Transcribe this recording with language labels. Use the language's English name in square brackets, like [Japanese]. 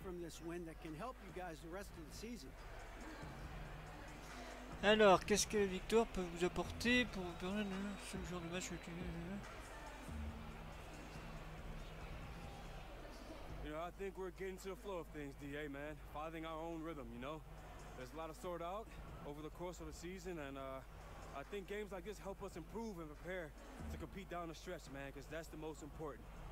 [English] from this win that can help you guys the rest of the season? [French] Alors, qu'est-ce que la victoire peut vous apporter pour ce genre de match? [English] You know, I think we're getting to the flow of things, DA, man. Finding our own rhythm, you know? There's a lot to sort out over the course of the season, and I think games like this help us improve and prepare to compete down the stretch, man, because that's the most important.